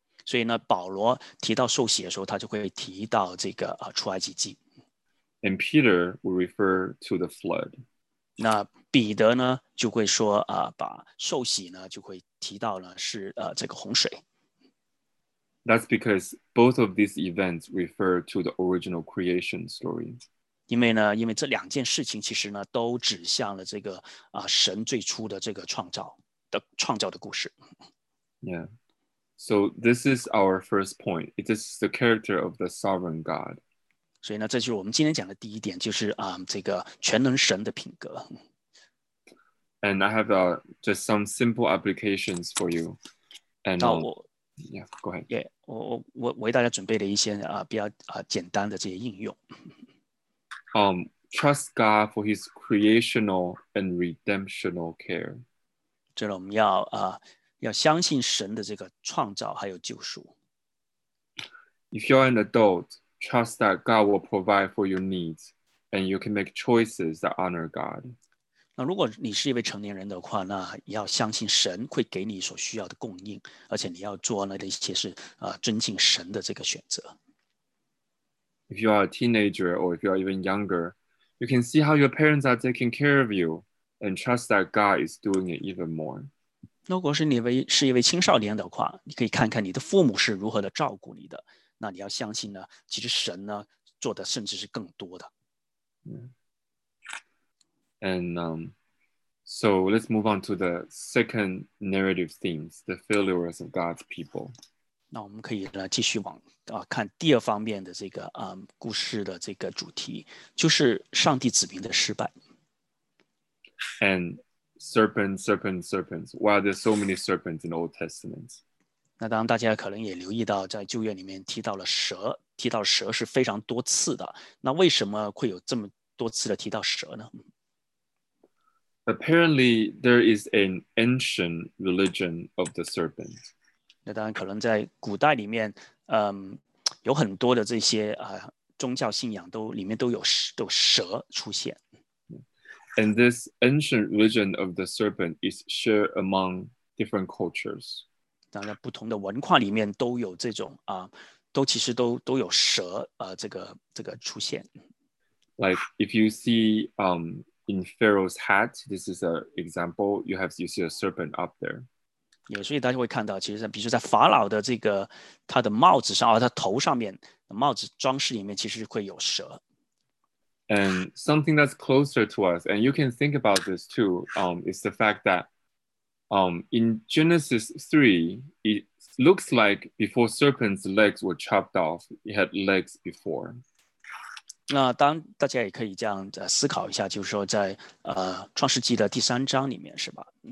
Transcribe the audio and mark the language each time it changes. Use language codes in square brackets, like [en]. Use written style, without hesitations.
[zh] 所以呢，保罗提到受洗的时候，他就会提到这个出埃及记。 [en] And Peter would refer to the flood. [zh] 那彼得呢，就会说把受洗呢，就会提到呢是这个洪水。 [en] That's because both of these events refer to the original creation story. [zh] 因为这两件事情其实呢都指向了这个神最初的这个创造的故事。 [en] Yeah. So this is our first point. It is the character of the sovereign God. [zh] 所以呢这就是我们今天讲的第一点，就是这个全能神的品格。 [en] And I have just some simple applications for you. And yeah, go ahead. Yeah, [zh] 我为大家准备了一些比较简单的这些应用。 [en] Trust God for His creational and redemptional care. [zh] 这我们要相信神的这个创造还有救赎。 [en] If you're an adult, trust that God will provide for your needs, and you can make choices that honor God. [zh] 那如果你是一位成年人的话，那要相信神会给你所需要的供应，而且你要做那一切是尊敬神的这个选择。 [en] If you are a teenager or if you are even younger, you can see how your parents are taking care of you and trust that God is doing it even more. [zh] 如果是你是一位青少年的话，你可以看看你的父母是如何的照顾你的，那你要相信呢，其实神呢做的甚至是更多的。 [en] And so let's move on to the second narrative themes, the failures of God's people. [zh] 那我们可以呢继续往看第二方面的这个故事的这个主题，就是上帝子民的失败。 [en] And serpents. Wow, there's so many serpents in the Old Testament. [zh] 那当然大家可能也留意到，在旧约里面提到了蛇，提到蛇是非常多次的。那为什么会有这么多次的提到蛇呢？ [en] Apparently, there is an ancient religion of the serpent. [zh] 那当然可能在古代里面，有很多的这些宗教信仰都里面都有蛇出现。 [en] And this ancient religion of the serpent is shared among different cultures. [zh] 当然，不同的文化里面都有这种都其实都有蛇这个出现。 [en] Like if you see in Pharaoh's hat, this is an example. You see a serpent up there. [zh] 也所以大家会看到，其实比如说在法老的这个他的帽子上他头上面帽子装饰里面其实会有蛇。 [en] And something that's closer to us, and you can think about this too, is the fact that in Genesis 3, it looks like before serpent's legs were chopped off, it had legs before. [zh] 那当大家也可以这样思考一下，就是说在创世纪的第三章里面是吧？